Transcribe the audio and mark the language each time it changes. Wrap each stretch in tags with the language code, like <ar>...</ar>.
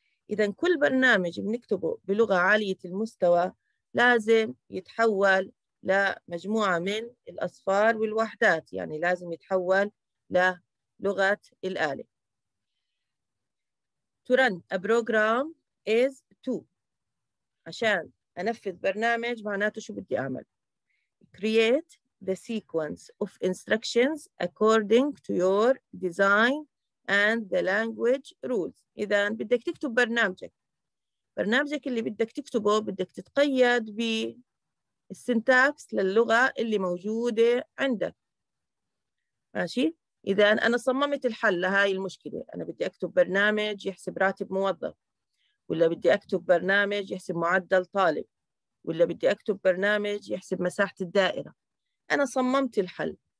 <ar>إذا كل برنامج بنكتبه بلغة عالية المستوى لازم يتحول لمجموعة من الأصفار والوحدات، يعني لازم يتحول للغة الآلة.</ar> <en>To run a program is to،</en> <ar>عشان أنفذ برنامج معناته شو بدي أعمل؟ create</ar> <en>the sequence of instructions according to your design and the language rules.</en> <ar>إذا بدك تكتب برنامجك، برنامجك اللي بدك تكتبه بدك تتقيد بالسنتاكس للغة اللي موجودة عندك، ماشي؟ إذا أنا صممت الحل لهاي المشكلة، أنا بدي أكتب برنامج يحسب راتب موظف، ولا بدي أكتب برنامج يحسب معدل طالب، ولا بدي أكتب برنامج يحسب مساحة الدائرة، أنا صممت الحل.</ar>